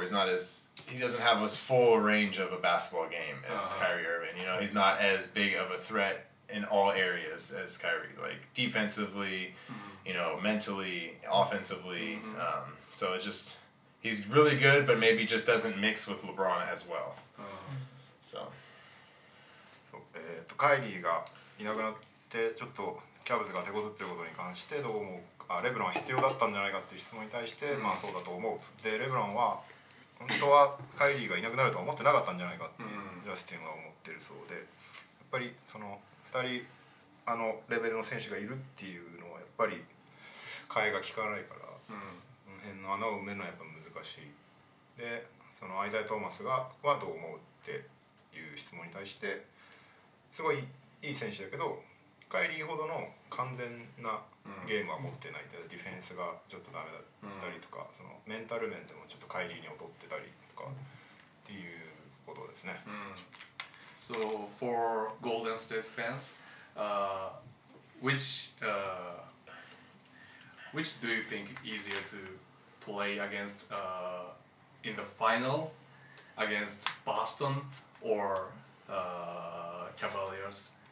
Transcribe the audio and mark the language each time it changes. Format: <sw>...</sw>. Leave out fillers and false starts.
<en>He doesn't have as full range of a basketball game as Kyrie Irving. You know, he's not as big of a threat in all areas as Kyrie. Like, defensively, you know, mentally, offensively. So it's just, he's really good, but maybe just doesn't mix with LeBron as well. So.</en> <ja>Kyrie がいなくなって、ちょっとキャブズが手こずってることに関してどう思うか。レブロンは必要だったんじゃないかっていう質問に対して、まあそうだと思うと。で、レブロンは本当はカイリーがいなくなるとは思ってなかったんじゃないかっていうジャスティンは思ってるそうで、やっぱりその2人あのレベルの選手がいるっていうのはやっぱり替えが効かないから、その辺の穴を埋めるのはやっぱ難しい。で、そのアイザイ・トーマスがはどう思うっていう質問に対して、すごいいい選手だけど、カイリーほどの完全なゲームは持ってないってディフェンスがちょっとダメだったりとか、そのメンタル面でもちょっとカイリーに劣ってたりとかっていうことですね。</ja> <en>So for Golden State fans, which do you think easier to play against in the final against Boston or Cavaliers?</en>